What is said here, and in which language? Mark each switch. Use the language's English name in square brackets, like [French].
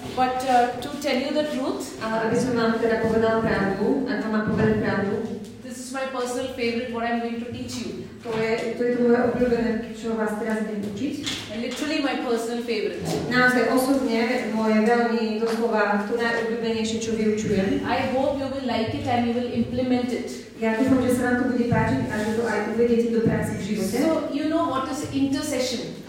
[English] But to tell you the truth. [Slovak] Aby som vám teda povedala pravdu, a to mám povedať pravdu. [English] This is my personal favorite, what I'm going to teach you. [Slovak] To je to moje obľúbené, čo vás teraz budem učiť. [English] Literally my personal favorite. [Slovak] Naozaj osobne moje veľmi doslova to najobľúbenejšie, čo vyučujem. [English] I hope you will like it and you will implement it. [Slovak] Ja dúfam, že sa vám to bude páčiť a že to aj uvediete do práce v živote. [English] So you know what is intercession.